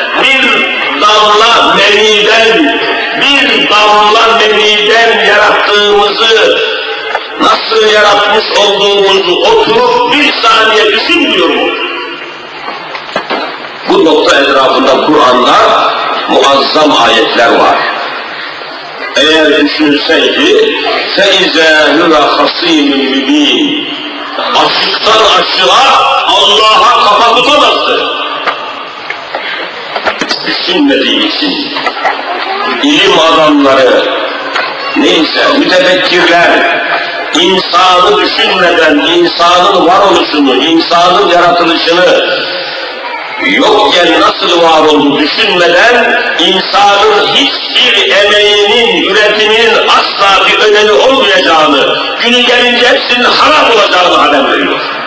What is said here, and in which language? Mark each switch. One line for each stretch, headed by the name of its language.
Turkish: Bir damla meniden, bir damla meniden yarattığımızı, nasıl yaratmış olduğumuzu oturup bir saniye düşünmüyor mu? Bu nokta etrafında Kur'an'da muazzam ayetler var. Eğer düşünseydi,
Arabic: فَاِذَا هُوَ خَص۪يمٌ مُّب۪ينٌ.
Turkish: Açıktan açığa Allah'a kafa tutamazdı. Düşünmediği için ilim adamları, neyse mütefekkirler, İnsanı düşünmeden, insanın varoluşunu, insanın yaratılışını yokken nasıl var olduğunu düşünmeden, insanın hiçbir emeğinin, üretiminin asla bir önemi olmayacağını, günü gelince hepsinin harap olacağını haber veriyor.